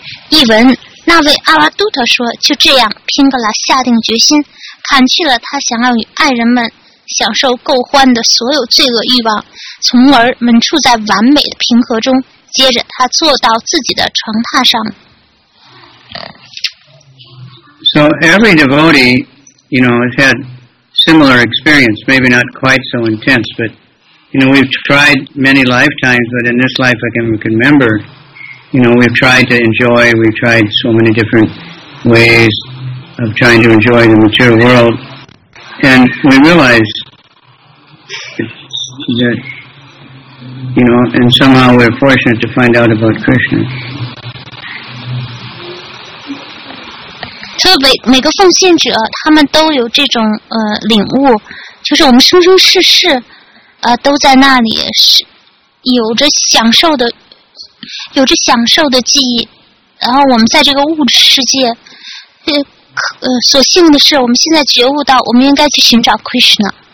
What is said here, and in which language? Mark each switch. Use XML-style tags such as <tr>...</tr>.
<zh>译文：那位阿拉杜特说，就这样，宾格拉下定决心，砍去了他想要与爱人们享受够欢的所有罪恶欲望，从而稳处在完美的平和中。接着，他坐到自己的床榻上。</zh> <en>So every devotee, you know, has had similar experience, maybe not quite so intense, but. You know, we've tried many lifetimes, but in this life, again, we can remember, you know, we've tried to enjoy, we've tried so many different ways of trying to enjoy the material world. And we realize that, you know, and somehow we're fortunate to find out about Krishna.</en> <zh>所以每个奉献者他们都有这种领悟，就是我们生生世世都在那里是有着享受的记忆，然后我们在这个物质世界，所幸的是我们现在觉悟到我们应该去寻找 Krishna。</zh>